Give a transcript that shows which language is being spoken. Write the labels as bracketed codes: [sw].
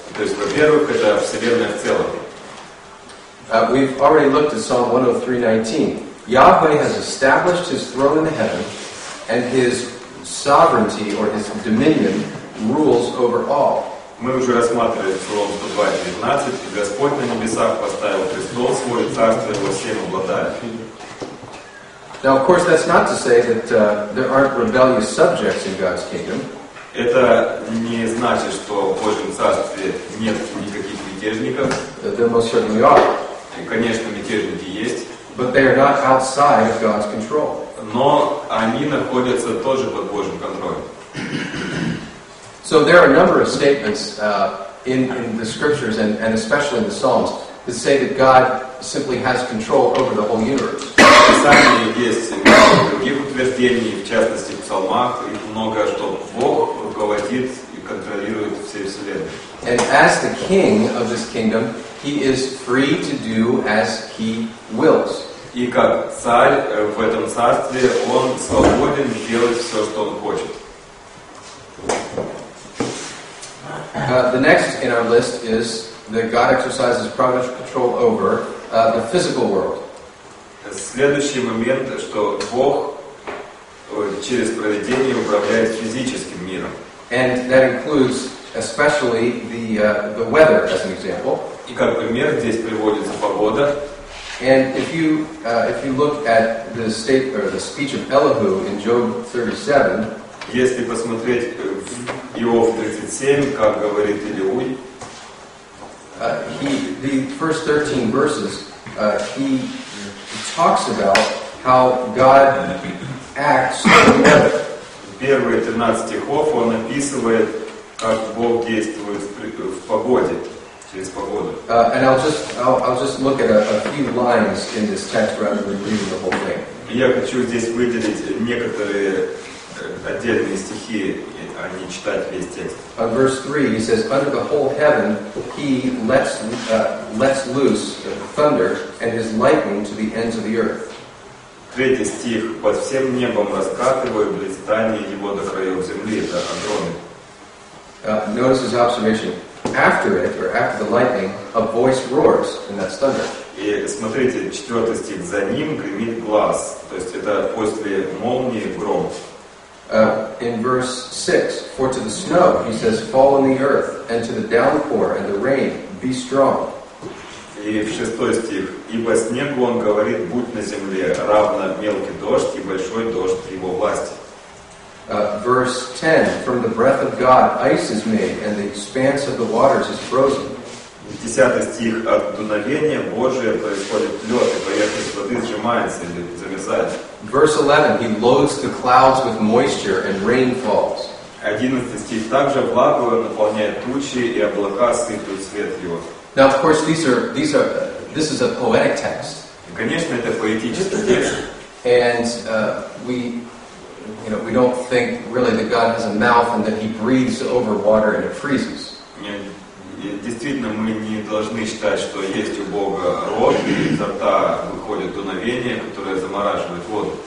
[ru] То есть, во-первых, это Вселенная в целом. [en] We've already looked at Psalm 103:19. Yahweh has established his throne in the heaven, and his sovereignty or his dominion rules over all. [ru] Мы уже рассматривали Псалом 102:19, Господь на небесах поставил престол свой, царство его всем обладает. [en] Now, of course, that's not to say that there aren't rebellious subjects in God's kingdom. [ru] Это не значит, что в Божьем царстве нет никаких мятежников. [en] There most certainly are. [ru] И, конечно, мятежники есть. [en] But they are not outside of God's control. [ru] Но они находятся тоже под Божьим контролем. [en] So there are a number of statements in the scriptures and especially in the Psalms that say that God simply has control over the whole universe. [ru] Писание есть много других утверждений, в частности в Псалмах, и много, что Бог руководит и контролирует все вселенные. [en] And as the king of this kingdom, he is free to do as he wills. [ru] И как царь в этом царстве, он свободен делать все, что он хочет. [en] The next in our list is that God exercises providential control over the physical world. [ru] Следующий момент, что Бог через провидение управляет физическим миром. [en] And that includes especially the weather as an example. [ru] И как пример здесь приводится погода. [en] And if you look at the state or the speech of Elihu in Job 37, [ru] если посмотреть Иов 37, как говорит Илиуй, [en] the first 13 verses, he talks about how God acts in the weather. [ru] Первые 13 стихов он описывает, как Бог действует в погоде, через погоду. [en] And I'll just look at a few lines in this text rather than reading the whole thing. [ru] Я хочу здесь выделить некоторые отдельные стихи, а не читать весь текст. [en] Verse 3, he says, under the whole heaven he lets loose the thunder and his lightning to the ends of the earth. [ru] Третий стих, под всем небом раскатывает блистание его до краев земли, это Андроме. [en] Notice his observation. After the lightning, a voice roars, and that's thunder. [ru] И смотрите, четвертый стих, за ним гремит глаз, то есть это после молнии гром. [en] In verse 6, for to the snow, he says, fall on the earth, and to the downpour and the rain, be strong. [ru] И в шестой стих, ибо снегу он говорит, будь на земле, равно мелкий дождь и большой дождь его власти. [en] Verse 10, from the breath of God, ice is made, and the expanse of the waters is frozen. [ru] Десятый стих, от дуновения Божия происходит лед, и поверхность воды сжимается или замерзает. [en] Verse 11, he loads the clouds with moisture and rain falls. [ru] Одиннадцатый стих, также влагою наполняет тучи, и облака сыплют свет его. [en] Now, of course, this is a poetic text. [ru] И, конечно, это поэтический текст. [en] And we don't think really that God has a mouth and that he breathes over water and it freezes. [ru] Действительно, мы не должны считать, что есть у Бога рот, и изо рта выходит дуновение, которое замораживает воду.